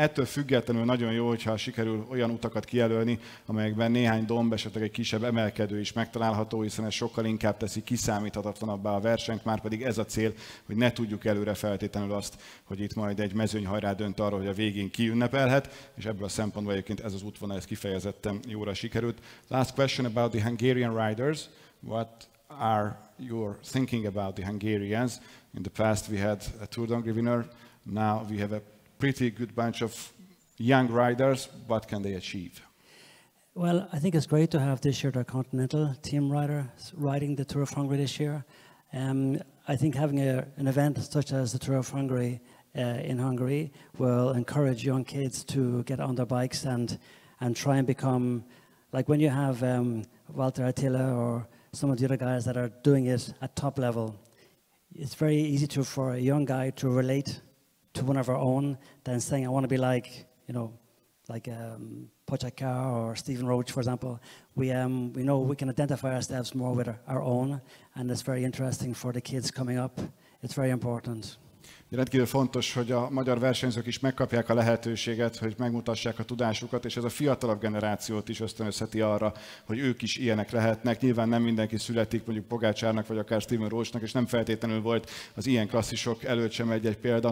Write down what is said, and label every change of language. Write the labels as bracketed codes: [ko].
[hu] Ettől függetlenül nagyon jó, hogyha sikerül olyan utakat kijelölni, amelyekben néhány domb, esetleg egy kisebb emelkedő is megtalálható, hiszen ez sokkal inkább teszi kiszámíthatatlanabbá a versenyt, már pedig ez a cél, hogy ne tudjuk előre feltétlenül azt, hogy itt majd egy mezőny hajrá dönt arra, hogy a végén kiünnepelhet, és ebből a szempontból egyébként ez az útvonal ez kifejezetten jóra sikerült. [en] Last question about the Hungarian riders. What are your thinking about the Hungarians? In the past we had a Tour d'Hongrie winner, now we have a pretty good bunch of young riders. What can they achieve? Well, I think it's great to have this year the Continental team rider riding the Tour of Hungary this year. I think having an event such as the Tour of Hungary in Hungary will encourage young kids to get on their bikes and try and become, like when you have Walter Attila or some of the other guys that are doing it at top level, it's very easy to for a young guy to relate to one of our own than saying, I want to be like, you know, like Pogačar or Stephen Roach, for example. We know we can identify ourselves more with our own, and it's very interesting for the kids coming up. It's very important. [hu] Rendkívül fontos, hogy a magyar versenyzők is megkapják a lehetőséget, hogy megmutassák a tudásukat, és ez a fiatalabb generációt is ösztönözheti arra, hogy ők is ilyenek lehetnek. Nyilván nem mindenki születik mondjuk Pogačarnak, vagy akár Stephen Roachnak, és nem feltétlenül volt az ilyen klasszisok előtt sem egy-egy példa.